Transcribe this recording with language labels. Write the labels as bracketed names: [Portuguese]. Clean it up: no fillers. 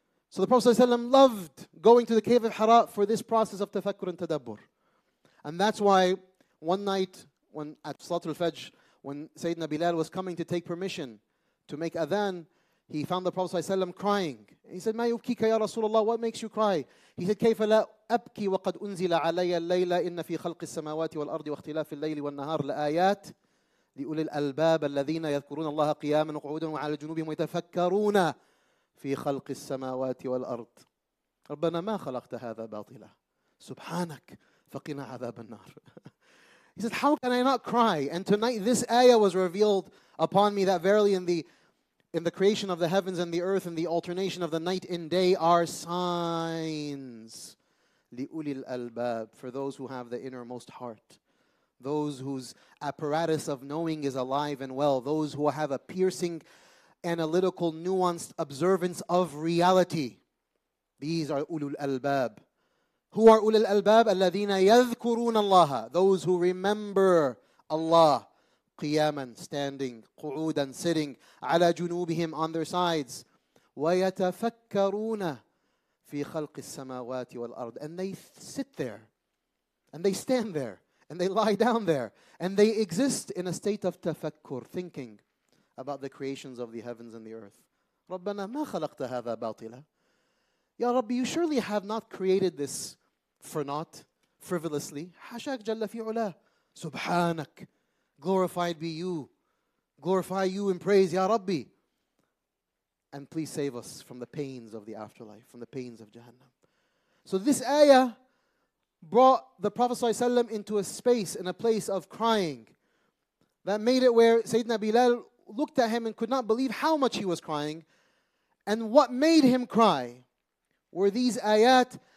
[English] So the Prophet ﷺ loved going to the cave of Hira for this process of tafakkur and tadabbur. And that's why one night when at Salatul Fajr, when Sayyidina Bilal was coming to take permission to make adhan, he found the Prophet ﷺ crying. He said, [Arabic] Ma yubkika ya Rasulullah, [English] what makes you cry? [Arabic] He said, كيف لا أبكي وقد أنزل علي الليلة إن في خلق السماوات والأرض واختلاف الليل والنهار لآيات لأولي الألباب الذين يذكرون الله قياما وقعودا وعلى جنوبهم ويتفكرون في خلق السماوات والأرض ربنا ما خلقت هذا باطلا سبحانك فقنا عذاب النار [English] He said, how can I not cry? And tonight this ayah was revealed upon me that verily in the creation of the heavens and the earth and the alternation of the night and day are signs [Arabic] لأولي الألباب [English] for those who have the innermost heart. Those whose apparatus of knowing is alive and well. Those who have a piercing, analytical, nuanced observance of reality. These are ulul albab. Who are ulul albab? [Arabic] Alladhina yadhkurun Allah. [English] Those who remember Allah. Qiyaman, standing. Qu'udan, sitting. [Arabic] Ala junubihim, [English] on their sides. [Arabic] Wa yatafakkaruna fi khalqi as-samawati wal-ard. [English] And they sit there. And they stand there. And they lie down there. And they exist in a state of tafakkur, thinking about the creations of the heavens and the earth. [Arabic] رَبَّنَا مَا خَلَقْتَ هَذَا بَاطِلًا [English] Ya Rabbi, you surely have not created this for naught, frivolously. [Arabic] حَشَاكْ جَلَّ فِي عُلَى سُبْحَانَكْ [English] Glorified be you. Glorify you in praise, Ya Rabbi. And please save us from the pains of the afterlife, from the pains of Jahannam. So this ayah brought the Prophet ﷺ into a space, in a place of crying. That made it where Sayyidina Bilal looked at him and could not believe how much he was crying. And what made him cry were these ayat